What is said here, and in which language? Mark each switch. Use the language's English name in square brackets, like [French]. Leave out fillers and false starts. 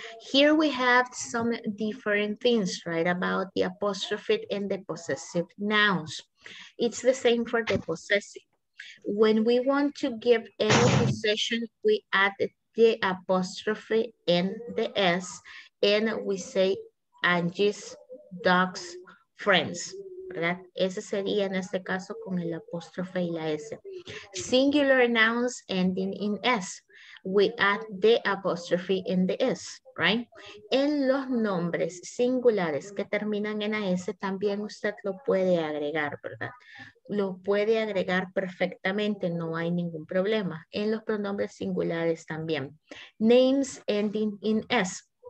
[English] Here we have some different things, right, about the apostrophe and the possessive nouns. It's the same for the possessive. When we want to give any possession, we add the apostrophe and the S, and we say Angie's dog's friends, [Spanish] ¿verdad? Ese sería en este caso con el apóstrofe y la S. [English] Singular nouns ending in S. We add the apostrophe in the S, right? [Spanish] En los nombres singulares que terminan en la S, también usted lo puede agregar, ¿verdad? Lo puede agregar perfectamente, no hay ningún problema. En los pronombres singulares también. [English] Names ending in S.